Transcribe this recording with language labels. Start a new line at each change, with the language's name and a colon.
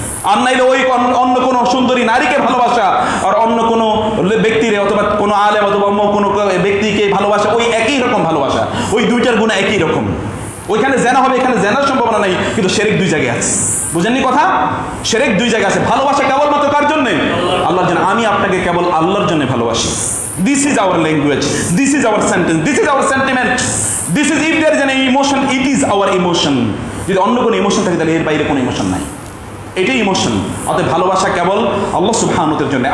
Bangla: আর নাইলে ওই অন্য কোনো সুন্দরী নারীকে ভালোবাসা, আর অন্য কোনো ব্যক্তির অথবা কোনো আলেম অথবা অন্য কোনো ব্যক্তিকে ভালোবাসা, ওই একই রকম ভালোবাসা, ওই দুইটার গুণা একই রকম। ওইখানে জেনা হবে, এখানে জেনার সম্ভাবনা নেই, কিন্তু শেরেক দুই জায়গায় আছে। বুঝেননি কথা? শেরেক দুই জায়গায় আছে। ভালোবাসা কেবলমাত্র কার জন্যে? আল্লাহর জন্য। আমি আপনাকে কেবল আল্লাহর জন্য ভালোবাসি।
English: This is our language, this is our sentence, this is our sentiment, this is, if there is an emotion, it is our emotion.
Bangla: যদি অন্য কোনো ইমোশন থাকে তাহলে এর বাইরে কোনো ইমোশন নাই, এটাই ইমোশন। অর্থাৎ ভালোবাসা কেবল আল্লাহ সুবহানাহু ওয়া তাআলার জন্য।